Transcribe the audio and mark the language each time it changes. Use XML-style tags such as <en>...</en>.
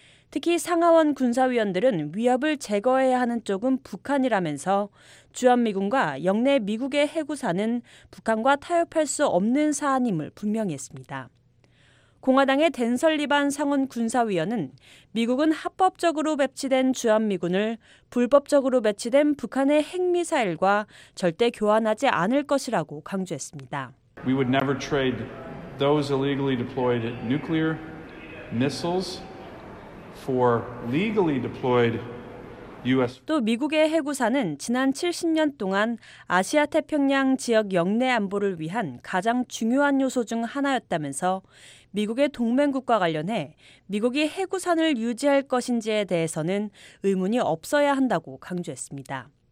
<ko>특히 상하원 군사위원들은 위협을 제거해야 하는 쪽은 북한이라면서 주한미군과 영내 미국의 핵우산은 북한과 타협할 수 없는 사안임을 분명히 했습니다. 공화당의 댄 설리반 상원 군사위원은 미국은 합법적으로 배치된 주한미군을 불법적으로 배치된 북한의 핵미사일과 절대 교환하지 않을 것이라고 강조했습니다.</ko> <en>We would never trade those illegally deployed nuclear missiles. For legally deployed U.S.</en> <ko>또 미국의 핵우산은 지난 70년 동안 아시아 태평양 지역 영내 안보를 위한 가장 중요한 요소 중 하나였다면서 미국의 동맹국과 관련해 미국이 핵우산을 유지할 것인지에 대해서는 의문이 없어야 한다고 강조했습니다.</ko>